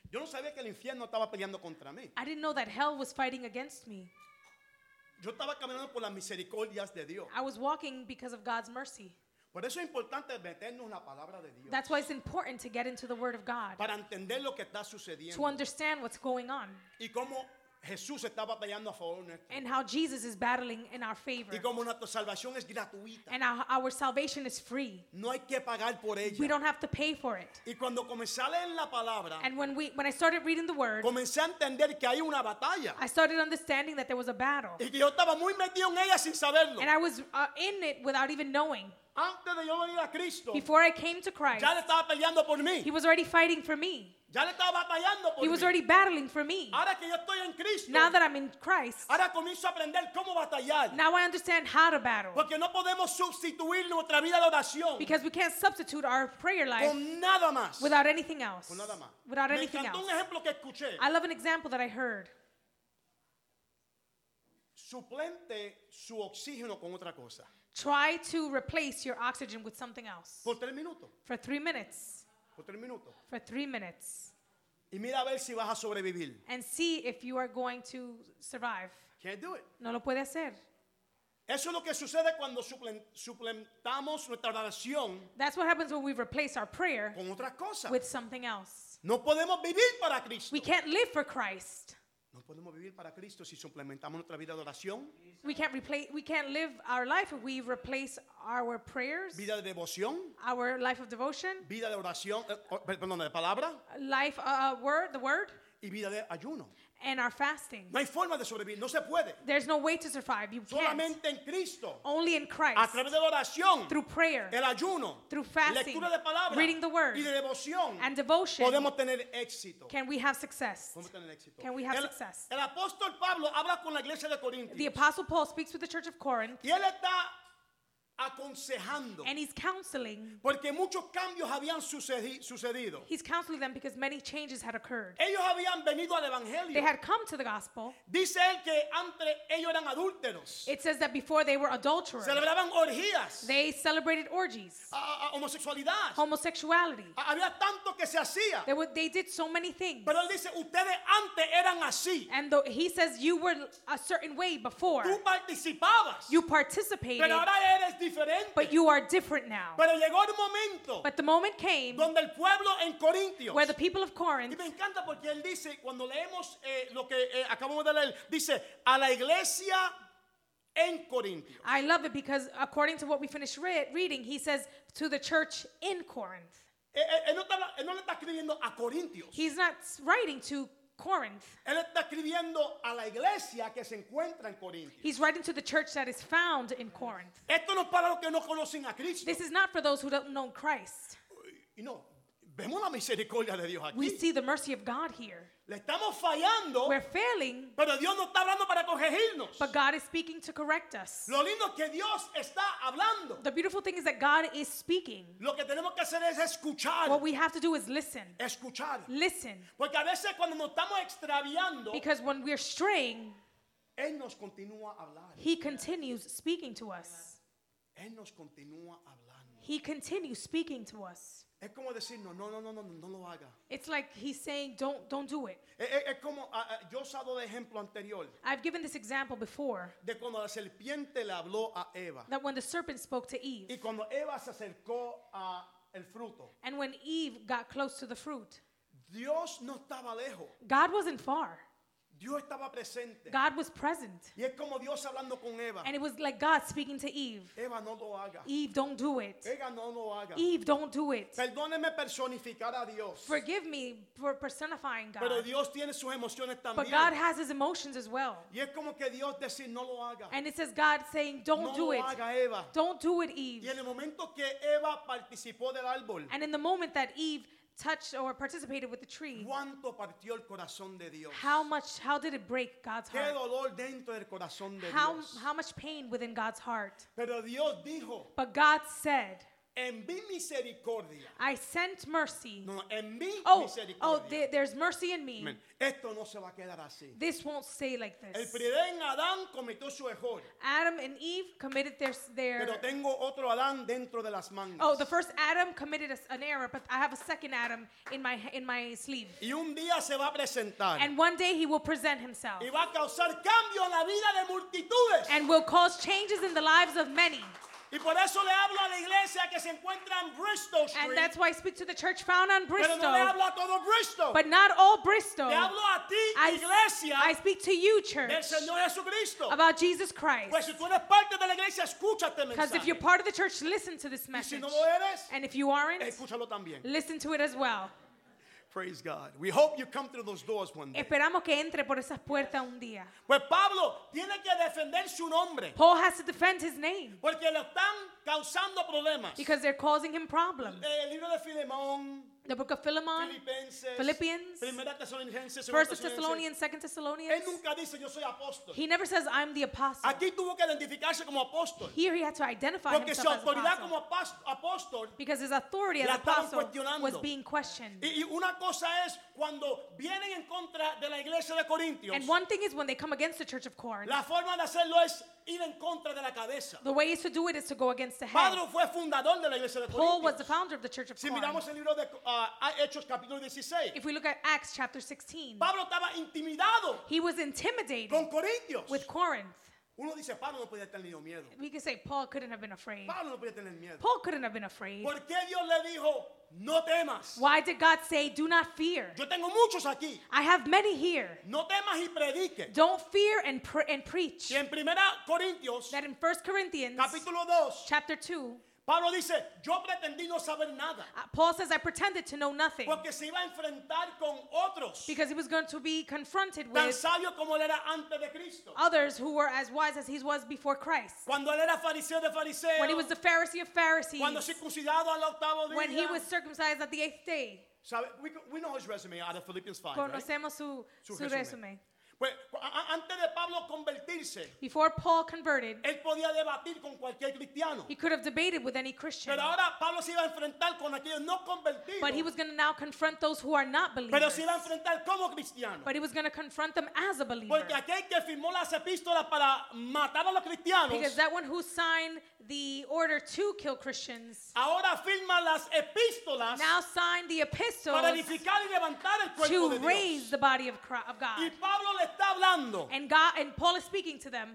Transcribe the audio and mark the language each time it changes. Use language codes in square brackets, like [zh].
[es] Yo no sabía que el infierno estaba peleando contra mí. [en] I didn't know that hell was fighting against me. [es] Yo estaba caminando por las misericordias de Dios. [en] I was walking because of God's mercy. [es] Por eso es importante meternos en la palabra de Dios. [en] That's why it's important to get into the word of God. [es] Para entender lo que está sucediendo. [en] To understand what's going on. [es] Y cómo Jesús está batallando a favor nuestro. [en] And how Jesus is battling in our favor. [es] Y cómo nuestra salvación es gratuita. [en] And our salvation is free. [es] No hay que pagar por ella. [en] We don't have to pay for it. [es] Y cuando comencé a leer la palabra. [en] And when I started reading the word. [es] Comencé a entender que hay una batalla. [en] I started understanding that there was a battle. [es] Y que yo estaba muy metido en ella sin saberlo. [en] And I was in it without even knowing. [es] Antes de yo venir a Cristo. [en] Before I came to Christ. [es] Ya le estaba peleando por mí. [en] He was already fighting for me. [es] Ya le estaba batallando por [en] he was [es] mí. [en] Already battling for me. [es] Ahora que yo estoy en Cristo, [en] now that I'm in Christ, [es] ahora comienzo a aprender cómo batallar. [en] Now I understand how to battle. [es] Porque no podemos sustituir nuestra vida de oración. [en] Because we can't substitute our prayer life [es] con nada más. [en] Without anything else. [es] Con nada más. [en] Without [es] me [en] anything [es] encantó [en] else. [es] Un ejemplo que escuché. [en] I love an example that I heard. [es] Suplente su oxígeno con otra cosa. [en] Try to replace your oxygen with something else. [es] Por 3 minutos. [en] For 3 minutes. [es] Por 3 minutos. [en] For 3 minutes. [es] Y mira a ver si vas a sobrevivir. [en] And see if you are going to survive. Can't do it. [es] No lo puede hacer. Eso es lo que sucede cuando suplementamos nuestra oración. [en] That's what happens when we replace our prayer. [es] Con otra cosa. [en] With something else. [es] No podemos vivir para Cristo. [en] We can't live for Christ. [es] No podemos vivir para Cristo si suplementamos nuestra vida de oración. [en] We can't live our life if we replace our prayers. [es] Vida de devoción. [en] Our life of devotion. [es] Vida de oración, perdón, de palabra. [en] Life, word, the word. [es] Y vida de ayuno. [en] And our fasting. [es] No hay forma de sobrevivir, no se puede. [en] There's no way to survive, you [es] solamente [en] can't. [es] En Cristo. [en] Only in Christ. [es] A través de la oración. [en] Through prayer. [es] El ayuno. [en] Through fasting. [es] Lectura de palabra. [en] Reading the word. [es] Y de devoción. [en] And devotion. [es] Podemos tener éxito. [en] Can we have success? [es] Podemos tener éxito. [en] Can we have success? [es] El apóstol Pablo habla con la iglesia de Corintios. [en] The apostle Paul speaks with the church of Corinth. [es] Y él está aconsejando. [en] And he's counseling. [es] Porque muchos cambios habían sucedido. [en] He's counseling them because many changes had occurred. [es] Ellos habían venido al evangelio. [en] They had come to the gospel. [es] Dice él que antes ellos eran adúlteros. [en] It says that before they were adulterers. [es] Celebraban orgías. [en] They celebrated orgies. [es] Homosexualidad. [en] Homosexuality. [es] Había tanto que se hacía. [en] They did so many things. [es] Pero él dice ustedes antes eran así. [en] And he says you were a certain way before. [es] Tú participabas. [en] You participated. [es] Pero ahora eres diferente. [en] But you are different now. [es] Pero llegó el momento. [en] But the moment came. [es] Donde el pueblo en Corintios. [en] Where the people of Corinth. [es] Y me encanta porque él dice cuando leemos lo que acabamos de leer, dice a la iglesia en Corintios. [en] I love it because according to what we finished reading, he says to the church in Corinth. [es] Él no le está escribiendo a Corintios. [en] He's not writing to Corinth. [es] Él está escribiendo a la iglesia que se encuentra en Corinto. [en] He's writing to the church that is found in Corinth. [es] Esto no es para los que no conocen a Cristo. [en] This is not for those who don't know Christ. [es] Y no, vemos la misericordia de Dios aquí. [en] We see the mercy of God here. [es] Le estamos fallando. [en] We're failing. [es] Pero Dios no está hablando para corregirnos. [en] But God is speaking to correct us. [es] Lo lindo es que Dios está hablando. [en] The beautiful thing is that God is speaking. [es] Lo que tenemos que hacer es escuchar. [en] What we have to do is listen. [es] Escuchar. [en] Listen. [es] Porque a veces cuando nos estamos extraviando. [en] Because when we're straying. [es] Él nos continúa hablando. [en] He continues speaking to us. [es] Él nos continúa hablando. [en] He continues speaking to us. [es] Es como decir no lo haga. [en] It's like he's saying don't do it. [es] Es como yo he dado el ejemplo anterior. [en] I've given this example before. [es] De cuando la serpiente le habló a Eva. [en] That when the serpent spoke to Eve. [es] Y cuando Eva se acercó a el fruto. [en] And when Eve got close to the fruit. [es] Dios no estaba lejos. [en] God wasn't far. [es] Dios estaba presente. [en] God was present. [es] Y es como Dios hablando con Eva. [en] And it was like God speaking to Eve. [es] Eva, no lo haga. [en] Eve, don't do it. [es] Eva, no lo haga. [en] Eve, don't do it. [es] Perdóneme personificar a Dios. [en] Forgive me for personifying God. [es] Pero Dios tiene sus emociones también. [en] But God has his emotions as well. [es] Y es como que Dios decir, no lo haga. [en] And it says God saying, don't [es] no [en] do [es] lo [en] it. [es] Haga, Eva. [en] Don't do it, Eve. [es] Y en el momento que Eva participó del árbol. [en] And in the moment that Eve touched or participated with the tree. [es] ¿Cuánto partió el corazón de Dios? [en] How did it break God's [es] qué [en] heart? [es] Dolor dentro del corazón de [en] how, [es] Dios. [en] How much pain within God's heart? [es] Pero Dios dijo, [en] but God said, [es] en mi misericordia, [en] I sent mercy. [es] No, en mi [en] oh, [es] misericordia. [en] Oh, there's mercy in me. [es] Man, esto no se va a quedar así. [en] This won't stay like this. [es] El primer Adán cometió su error. [en] Adam and Eve committed their [es] pero tengo otro Adán dentro de las mangas. [en] Oh, the first Adam committed an error, but I have a second Adam in my sleeve. [es] Y un día se va a presentar. [en] And one day he will present himself. [es] Y va a causar cambio en la vida de multitudes. [en] And will cause changes in the lives of many. [es] Y por eso le hablo a la iglesia que se encuentra en Bristol Street. [en] And that's why I speak to the church found on Bristol. [es] Pero no le hablo a todo Bristol. [en] But not all Bristol. [es] Le hablo a ti, iglesia. [en] I speak to you, church. [es] Del Señor Jesucristo. [en] About Jesus Christ. [es] Pues si tú eres parte de la iglesia, escúchate el mensaje. [en] Because if you're part of the church, listen to this message. [es] Y si no lo eres, [en] and if you aren't, [es] escúchalo también. [en] Listen to it as well. Praise God. We hope you come through those doors one day. [es] Esperamos que entre por esas puertas un día. Pues Pablo tiene que defender su nombre. [en] Paul has to defend his name. [es] Porque le están causando problemas. [en] Because they're causing him problems. [es] El libro de Filemón. [en] The book of Philemon, Philippians, 1 Thessalonians, 2 Thessalonians. [es] Él nunca dice, yo soy apóstol. [en] He never says, I'm the apostle. [es] Aquí tuvo que identificarse como apóstol. [en] Here he had to identify [es] porque [en] himself [es] su autoridad [en] as apostle. [es] Como apostol. [en] Because his authority as apostle was being questioned. [es] Y una cosa es cuando vienen en contra de la iglesia de Corintios. [en] And one thing is when they come against the church of Corinth. [es] La forma de hacerlo es ir en contra de la cabeza. [en] The way is to do it is to go against the head. [es] Pablo fue fundador de la iglesia de [en] Paul was the founder of the church of Corinth. [es] Si miramos el libro de Hechos capítulo 16. [en] If we look at Acts chapter 16. [es] Pablo estaba intimidado. [en] He was intimidated. [es] Con Corintios. [en] With Corinth. [es] Uno dice Pablo no podía tener miedo. [en] We can say Paul couldn't have been afraid. [es] Pablo no podía tener miedo. [en] Paul couldn't have been afraid. [es] ¿Por qué Dios le dijo no temas? [en] Why did God say do not fear? [es] Yo tengo muchos aquí. [en] I have many here. [es] No temas y predique. [en] Don't fear and preach. [es] Y en primera Corintios. [en] That in 1 Corinthians. [es] Capítulo 2. [en] Chapter 2. [es] Pablo dice, yo pretendí no saber nada. [en] Paul says, I pretended to know nothing. [es] Porque se iba a enfrentar con otros. [en] Because he was going to be confronted with [es] tan sabio como él era antes de Cristo. [en] Others who were as wise as he was before Christ. [es] Cuando él era fariseo de fariseos. [en] When he was the Pharisee of Pharisees. [es] Cuando circuncidado al octavo día. [en] When he was circumcised at the eighth day. [es] ¿Sabe? [en] We know his resume out of Philippians 5, [es] conocemos [en] right? [es] su resume. Antes de Pablo convertirse, [en] before Paul converted, [es] él podía debatir con cualquier cristiano. [en] He could have debated with any Christian. [es] Pero ahora Pablo se iba a enfrentar con aquellos no convertidos. [en] But he was going to now confront those who are not believers. [es] Pero se iba a enfrentar como cristiano. [en] But he was going to confront them as a believer. [es] Porque aquel que firmó las epístolas para matar a los cristianos. [en] Because that one who signed the order to kill Christians. [es] Ahora firma las epístolas. [en] Now sign the epistles. [es] Para edificar y levantar el cuerpo de Dios. [en] To raise the body of God. [es] Y Pablo le está hablando. [en] And God and Paul is speaking to them.